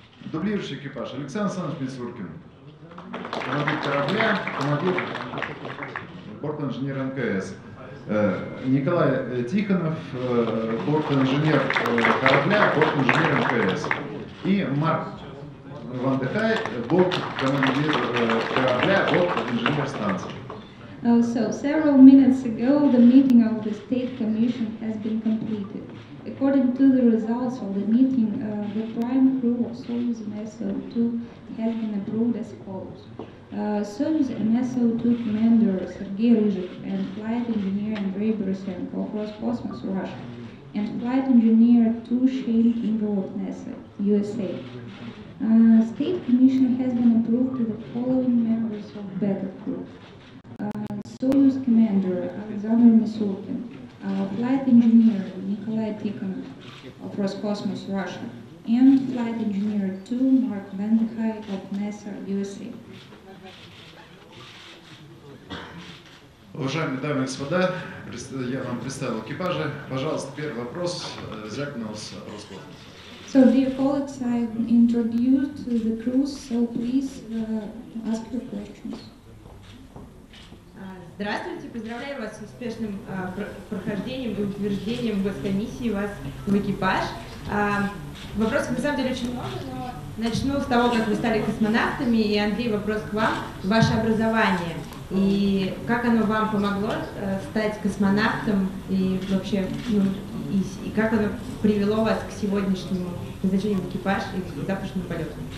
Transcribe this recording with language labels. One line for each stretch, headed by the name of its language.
Russian: Дублирующий экипаж Александр Александрович Мисуркин, командир корабля, командир борт-инженер МКС. Николай Тихонов, борт-инженер корабля, борт-инженер МКС. И Марк Ван Дехай, борт-командир корабля, борт-инженер станции.
English: So, several minutes ago, the meeting of the State Commission has been completed. According to the results of the meeting, the prime crew of Soyuz MS-02 has been approved as follows. Soyuz MS-02 commander Sergei Ruzhik and flight engineer Andrei Borisenko of Roscosmos, Russia, and flight engineer Tu Shane Ingle of NASA, USA. State Commission has been approved to the following members of battle crew. Soyuz commander Alexander Misurkin, flight engineer Nikolai Tikhonov of Roscosmos, Russia, and flight engineer 2 Mark Vandehai of NASA, USA.
Russian: Уважаемые дамы и господа, я вам представил экипажи. Пожалуйста, первый вопрос взять на вас Роскосмос.
English: So, dear colleagues, I've introduced the crews, so please ask your questions.
Russian: Здравствуйте, поздравляю вас с успешным прохождением и утверждением госкомиссии вас в экипаж. Вопросов, на самом деле, очень много, но начну с того, как вы стали космонавтами. И, Андрей, вопрос к вам. Ваше образование и как оно вам помогло стать космонавтом и вообще, ну, и как оно привело вас к сегодняшнему назначению в экипаж и к завтрашнему полету?